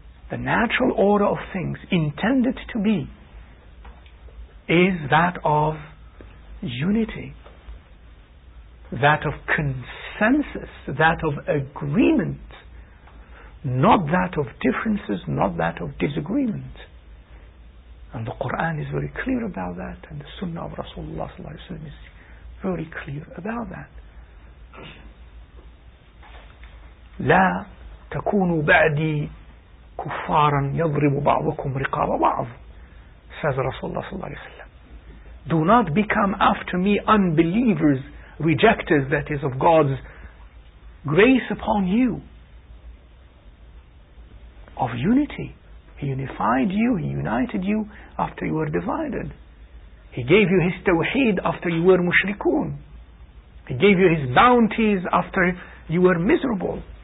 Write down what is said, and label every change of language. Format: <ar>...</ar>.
<en>The natural order of things intended to be is that of unity, that of consensus, that of agreement, not that of differences, not that of disagreement. And the Quran is very clear about that, and the Sunnah of Rasulullah sallallahu alaihi wasallam is very clear about that.</en> <ar>لا تكونوا بعدي كفارا يضرب بعضكم رقاب بعض,</ar> <en>says</en> <ar>Rasulullah sallallahu alaihi wasallam.</ar> <en>Do not become after me unbelievers, rejecters, that is, of God's grace upon you, of unity. He unified you, He united you after you were divided. He gave you His tawheed after you were mushrikun. He gave you His bounties after you were miserable.</en>